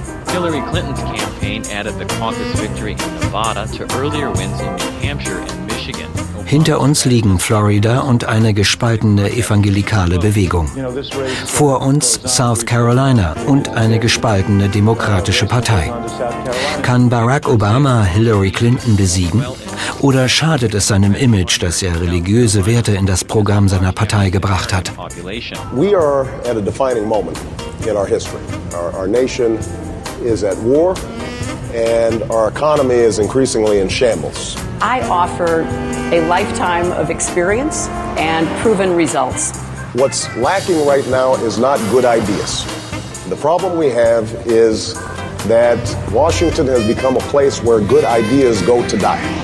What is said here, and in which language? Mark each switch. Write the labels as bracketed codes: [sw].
[en] Hillary Clinton's campaign added the caucus victory in Nevada to earlier wins in New Hampshire and Michigan. [de] Hinter uns liegen Florida und eine gespaltene evangelikale Bewegung. Vor uns South Carolina und eine gespaltene demokratische Partei. Kann Barack Obama Hillary Clinton besiegen? Oder schadet es seinem Image, dass er religiöse Werte in das Programm seiner Partei gebracht hat? [en] We are at a defining moment in our history. Our nation is at war and our economy is increasingly in shambles. I offer a lifetime of experience and proven results. What's lacking right now is not good ideas. The problem we have is that Washington has become a place where good ideas go to die.